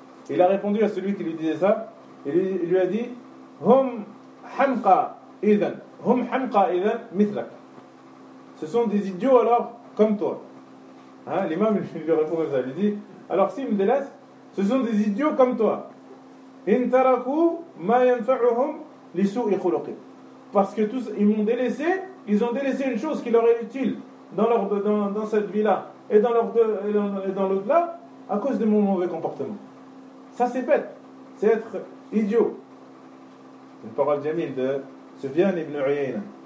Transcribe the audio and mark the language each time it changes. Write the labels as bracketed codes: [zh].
[fr] Il a répondu à celui qui lui disait ça. Il lui a dit: [ar] هم حمقى إذن مثلك. [fr] Ce sont des idiots alors comme toi. Hein? L'imam lui répond comme ça. Il lui dit: alors s'ils me délaissent, ce sont des idiots comme toi. [ar] إن تركوا ما ينفعهم لسوء خلقه. [fr] Parce que tous, ils ont délaissé une chose qui leur est utile dans cette vie-là et dans l'autre-là à cause de mon mauvais comportement. Ça, c'est bête. C'est être idiot. Une parole jamil de Sufyan ibn Uyayna.